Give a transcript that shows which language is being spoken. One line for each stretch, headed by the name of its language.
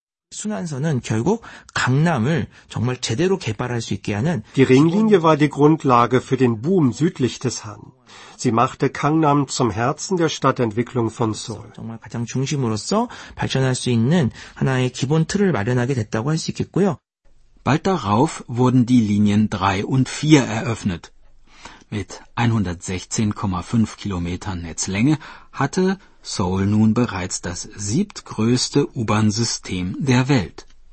Korean: 순환선은 결국 강남을 정말 제대로 개발할 수 있게 하는
German: Die Ringlinie war die Grundlage für den Boom südlich des Han. Sie machte Gangnam zum Herzen der Stadtentwicklung von Seoul.
Korean: 정말 가장 중심으로서 발전할 수 있는 하나의 기본 틀을 마련하게 됐다고 할 수 있겠고요.
German: Bald darauf wurden die Linien 3 und 4 eröffnet. Mit 116,5 Kilometern Netzlänge hatte Seoul nun bereits das 7. größte U-Bahn-System der Welt.